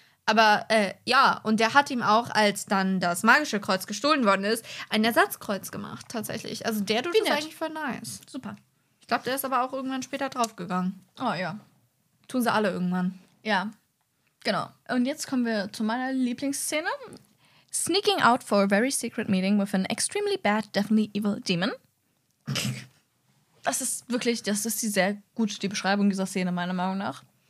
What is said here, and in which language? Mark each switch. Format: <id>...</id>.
<de>Aber ja, und der hat ihm auch, als dann das magische Kreuz gestohlen worden ist, ein Ersatzkreuz gemacht, tatsächlich. Also der tut das eigentlich voll nice. Super. Ich glaube, der ist aber auch irgendwann später draufgegangen. Oh ja. Tun sie alle irgendwann. Ja, genau. Und jetzt kommen wir zu meiner Lieblingsszene.</de> <en>Sneaking out for a very secret meeting with an extremely bad, definitely evil demon.</en> <de>Das ist wirklich, das ist die sehr gut, die Beschreibung dieser Szene, meiner Meinung nach.</de>